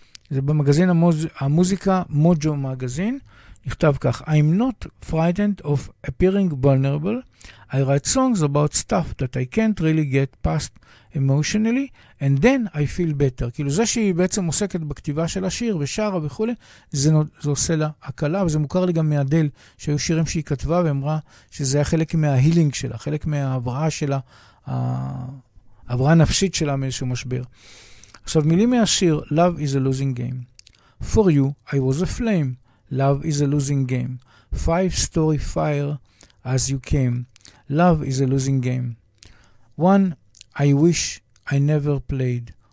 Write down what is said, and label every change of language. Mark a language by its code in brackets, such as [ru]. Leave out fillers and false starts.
[he] זה במגזין המוזיקה מוג'ו מגזין, נכתב כך: [en] I'm not frightened of appearing vulnerable. I write songs about stuff that I can't really get past emotionally, and then I feel better. [he] כאילו זה שהיא בעצם עוסקת בכתיבה של השיר ושרה וכו', זה עושה לה הקלה, וזה מוכר לי גם מאדל, שהיו שירים שהיא כתבה ואמרה שזה היה חלק מההילינג שלה, חלק מההבראה שלה, ההבראה הנפשית שלה מאיזשהו משבר. עכשיו, מילים מהשיר, [en] Love is a losing game. For you, I was a flame. Love is a losing game. Five story fire as you came. Love is a losing game. One, I wish I never played.